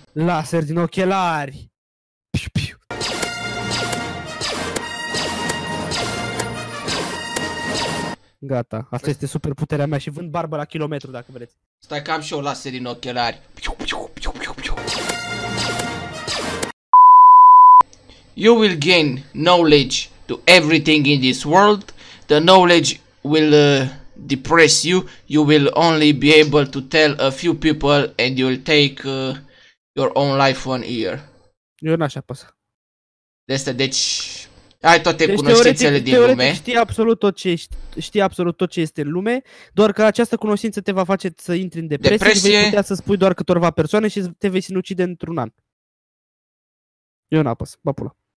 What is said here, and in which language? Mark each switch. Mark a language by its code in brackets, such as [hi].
[ro] Laser din ochelari! Piu, piu. Gata, asta este super puterea mea și vând barbă la kilometru dacă vreți. Stai că am și eu laser din ochelari. Piu, piu, piu, piu, piu. [en] You will gain knowledge to everything in this world. The knowledge will... depress you, you will only be able to tell a few people and you'll take your own life one year. [ro] Eu n-aș apăsa. Deci, ai toate deci cunoștințele din lume. Știi absolut tot ce știi absolut tot ce este în lume, doar că această cunoștință te va face să intri în depresie. Vei putea să spui doar câtorva persoane și te vei sinucide într-un an. Eu n-apăs, bă pula.